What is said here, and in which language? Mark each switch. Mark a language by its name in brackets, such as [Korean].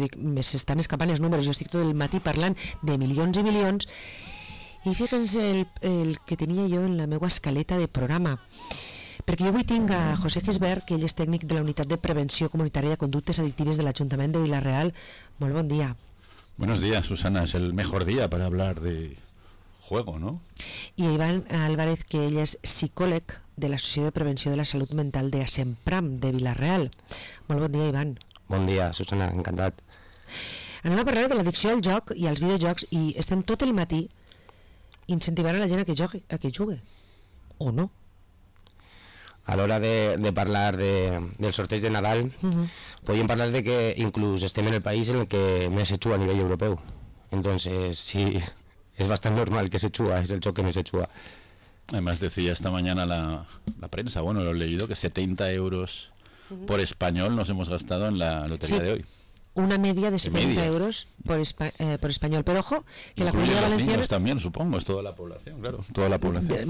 [Catalan] Jo dic, s'estan escapant els números, jo estic tot el matí parlant de milions i milions. I fíjense el que tenia jo en la meva escaleta de programa, perquè jo avui tinc a José Gisbert, que ell és tècnic de la Unitat de Prevenció Comunitària de Conductes Addictives de l'Ajuntament de Vila-real. Molt bon dia. [Spanish] Buenos días, Susana. Es el mejor día para hablar de juego, ¿no? [Catalan] I a Iván Álvarez, que ell és psicòleg de l'Associació de Prevenció de la Salut Mental de ASEMPRAM de Vila-real. Molt bon dia, Iván. Bon dia, Susana. Encantat. Anem a parlar de l'addicció al joc i als videojocs, i estem tot el matí incentivar a la gent a que jugue, o no? A l'hora de parlar del sorteig de Nadal, podríem parlar de que inclús estem en el país en el que més se juga a nivell europeu. Entonces, sí, és bastant normal que se juga, és el joc que més se juga. [Spanish] Además, decía esta mañana la prensa, bueno, lo he leído, que 70 euros por español nos hemos gastado en la lotería de hoy. Una media de 70 euros por español. Pero ojo, que la comunidad valenciana... Niños también, supongo, es toda la población, claro. Toda la población.